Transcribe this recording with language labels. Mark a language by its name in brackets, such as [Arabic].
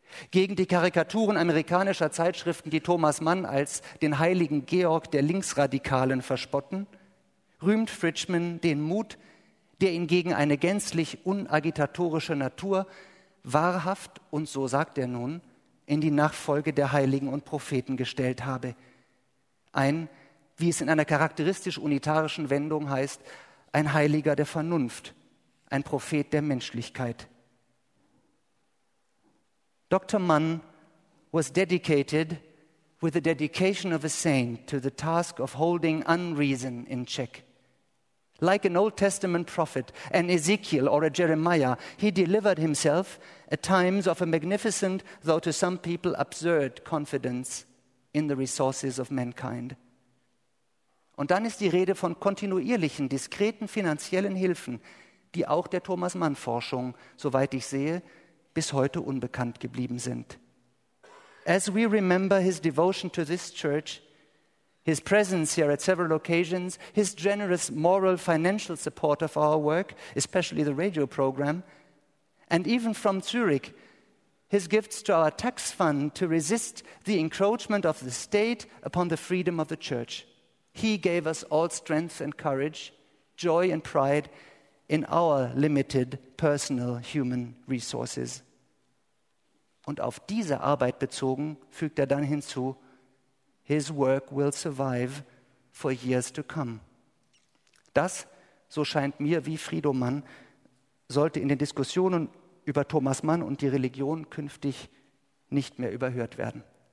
[German] Gegen die Karikaturen amerikanischer Zeitschriften, die Thomas Mann als den heiligen Georg der Linksradikalen verspotten, rühmt Fridgman den Mut, der ihn gegen eine gänzlich unagitatorische Natur wahrhaft, und so sagt er nun, in die Nachfolge der Heiligen und Propheten gestellt habe. Ein, wie es in einer charakteristisch unitarischen Wendung heißt, ein Heiliger der Vernunft, ein Prophet der Menschlichkeit. [English] Dr. Mann was dedicated with the dedication of a saint to the task of holding unreason in check. Like an Old Testament prophet, an Ezekiel or a Jeremiah, he delivered himself at times of a magnificent, though to some people absurd, confidence in the resources of mankind. [German] Und dann ist die Rede von kontinuierlichen, diskreten finanziellen Hilfen, die auch der Thomas-Mann-Forschung, soweit ich sehe, bis heute unbekannt geblieben sind. [English] As we remember his devotion to this church, his presence here at several occasions, his generous moral financial support of our work, especially the radio program, and even from Zurich, his gifts to our tax fund to resist the encroachment of the state upon the freedom of the church. He gave us all strength and courage, joy and pride in our limited personal human resources. [German] Und auf diese Arbeit bezogen, fügt er dann hinzu, [English] His work will survive for years to come. [German] Das, so scheint mir, wie Frido Mann, sollte in den Diskussionen über Thomas Mann und die Religion künftig nicht mehr überhört werden.